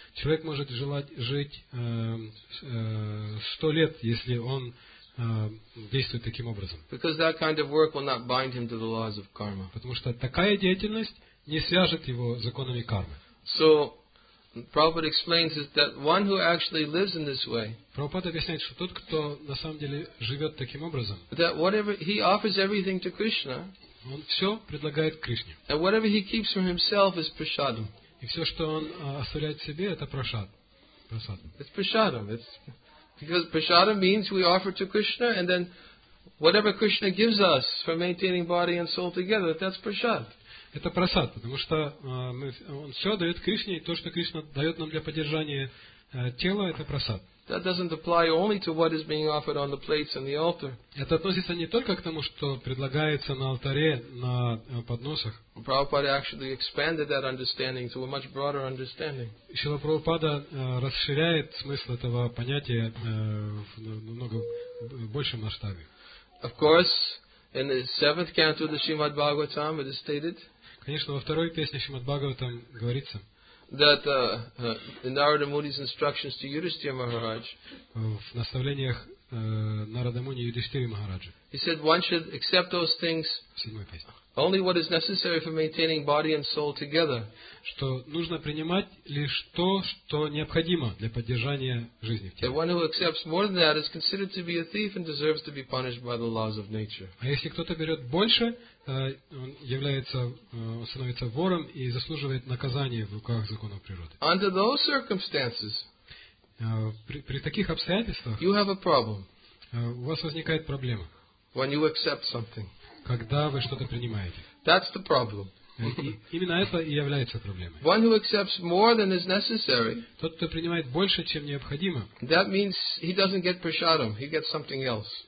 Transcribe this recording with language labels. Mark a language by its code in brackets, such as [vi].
[ru] Человек может желать жить 100 лет, если он действует таким образом. [en] Because that kind of work will not bind him to the laws of karma. [ru] Потому что такая деятельность не свяжет его с законами кармы. [en] So Prabhupada explains that one who actually lives in this way. [ru] Прабхупада объясняет, что тот, кто на самом деле живёт таким образом. [en] That whatever he offers everything to Krishna. [ru] Он всё предлагает Кришне. [en] And whatever he keeps from himself is prasadam. [ru] И всё, что он оставляет себе, это прасад. Прасад. [en] It's prasadam. Because prasadam means we offer to Krishna and then whatever Krishna gives us for maintaining body and soul together, that's prasad. [ru] Это прасад, потому что он все дает Кришне, и то, что Кришна дает нам для поддержания тела, это прасад. [en] That doesn't apply only to what is being offered on the plates and the altar. [ru] Это относится не только к тому, что предлагается на алтаре, на подносах. [en] Prabhupada actually expanded that understanding to a much broader understanding. [ru] Шрила Прабхупада расширяет смысл этого понятия в намного большем масштабе. [en] Of course, in the seventh canto of the Srimad Bhagavatam, it is stated. [ru] Конечно, во второй песне Шримад Бхагаватам говорится. [en] That in Narada Muni's instructions to Yudhishthira Maharaj. [ru] В наставлениях Нарада Муни и Юдхиштхира Махараджа. [en] He said one should accept those things. [ru] Седьмая песня. [en] Only what is necessary for maintaining body and soul together. [ru] Что нужно принимать лишь то, что необходимо для поддержания жизни в теле. [en] One who accepts more than that is considered to be a thief and deserves to be punished by the laws of nature. [ru] А если кто-то берет больше, он является, он становится вором и заслуживает наказания в руках законов природы. [en] Under those circumstances, [ru] при таких обстоятельствах, [en] you have a problem. [ru] У вас возникает проблема. [en] When you accept something. [ru] Когда вы что-то принимаете. [en] That's the problem. [ru] Именно это и является проблемой. [en] One who accepts more than is necessary. [ru] Тот, кто принимает больше, чем необходимо. [en] That means he doesn't get prasadam, he gets something else.